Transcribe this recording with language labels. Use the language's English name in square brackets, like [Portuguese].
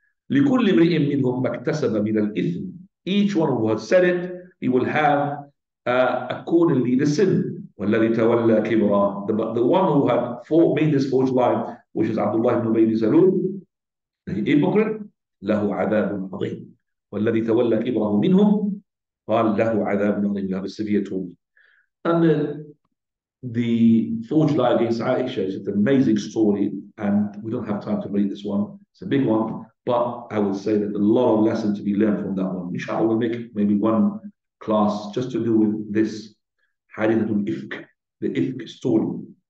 [Arabic] لِكُلِّ مْرِئٍ مِّنْهُمْ مَكْتَسَبَ مِنَ الْإِثْمِ, [English] each one who has said it, he will have accordingly the sin. [Arabic] وَالَّذِي تَوَلَّى كِبْرًا, [English] the one who had made this forged lie, which is Abdullah ibn Ubayy ibn Salul, the hypocrite, [Arabic] لَهُ عَذَابٌ عَظِيمٌ. وَالَّذِي تَوَلَّى كِبْرَهُ مِنْهُمْ قَالْ لَهُ عَذَابٌ عَظِيمٌ, [English] you have a severe tool. And the forged lie against Aisha is an amazing story, and we don't have time to read this one. It's a big one, but I would say that a lot of lessons to be learned from that one. Inshallah, we'll make maybe one class just to do with this Hadithatul Ifk, the Ifk story.